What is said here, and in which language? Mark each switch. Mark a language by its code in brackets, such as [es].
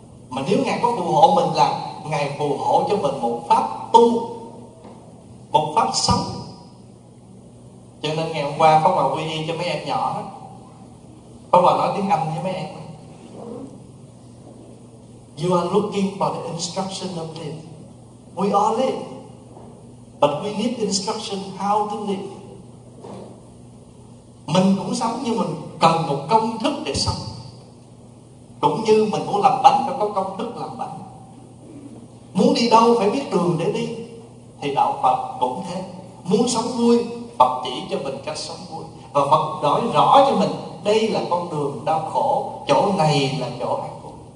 [vi] Mà nếu Ngài có phù hộ mình là Ngài phù hộ cho mình một pháp tu, một pháp sống. Cho nên ngày hôm qua Pháp Hòa quy y cho mấy em nhỏ, Pháp Hòa nói tiếng Anh với mấy em: [en] You are looking for the instruction of life. We all live, but we need instruction how to live. [vi] Mình cũng sống nhưng mình cần một công thức để sống. Cũng như mình muốn làm bánh phải có công thức làm bánh. Muốn đi đâu phải biết đường để đi. Thì đạo Phật cũng thế. Muốn sống vui, Phật chỉ cho mình cách sống vui. Và Phật nói rõ cho mình, đây là con đường đau khổ, chỗ này là chỗ an vui.